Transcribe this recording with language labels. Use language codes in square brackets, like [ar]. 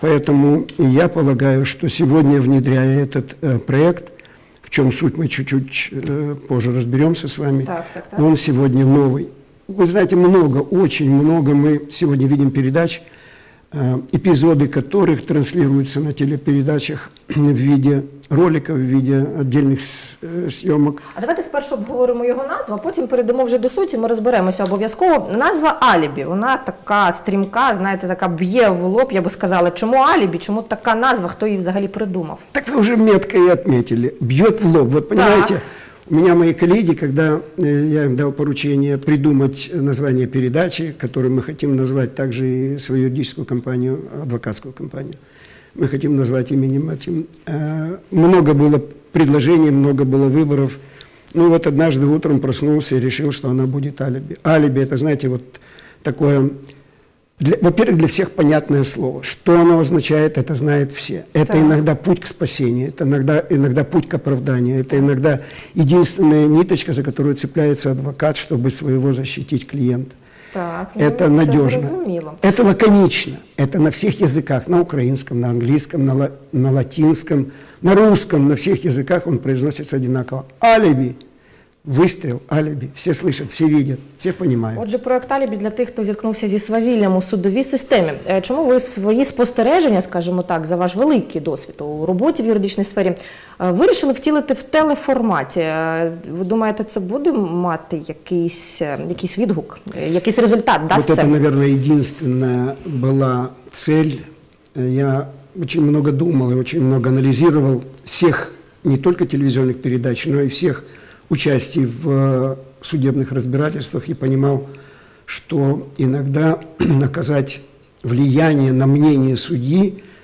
[ru] Поэтому я полагаю, что сегодня, внедряя этот проект, в чем суть, мы чуть-чуть позже разберемся с вами. Так. Он сегодня новый. Вы знаете, много, очень много мы сегодня видим передач, эпизоды которых транслируются на телепередачах в виде роликов, в виде отдельных съемок. [uk] А давайте спершу обговоримо його назву, а потім перейдемо вже до суті, ми розберемося обов'язково. Назва «Алібі», вона така стрімка, знаєте, така б'є в лоб, я би сказала. Чому «Алібі», чому така назва, хто її взагалі придумав? Так ви вже метко і відмітили. Б'є в лоб, от, розумієте? [ru] У меня мои коллеги, когда я им дал поручение придумать название передачи, которую мы хотим назвать также и свою юридическую компанию, адвокатскую компанию, мы хотим назвать именем этим. Много было предложений, много было выборов. Ну вот однажды утром проснулся и решил, что она будет «Алиби». «Алиби» — это, знаете, вот такое, во-первых, для всех понятное слово. Что оно означает, это знают все. Это иногда путь к спасению, это иногда путь к оправданию, это иногда единственная ниточка, за которую цепляется адвокат, чтобы своего защитить клиента. Так, это надежно. [uk] Зрозуміло. [ru] Это лаконично. Это на всех языках. На украинском, на английском, на латинском, на русском, на всех языках он произносится одинаково. «Алиби» Выстрел, алиби. Все слышат, все видят, все понимают. [uk] Отже, проект алиби для тих, хто зіткнувся зі свавіллям у судовій системі. Чому ви свої спостереження, скажімо так, за ваш великий досвід у роботі в юридичній сфері, вирішили втілити в телеформаті? Ви думаєте, це буде мати якийсь відгук, якийсь результат дасть це? [ru] Вот это, наверное, единственная была цель. Я очень много думал и очень много анализировал всех, не только телевизионных передач, но и всех участий в судебных разбирательствах и понимал, что иногда оказать влияние на мнение судьи,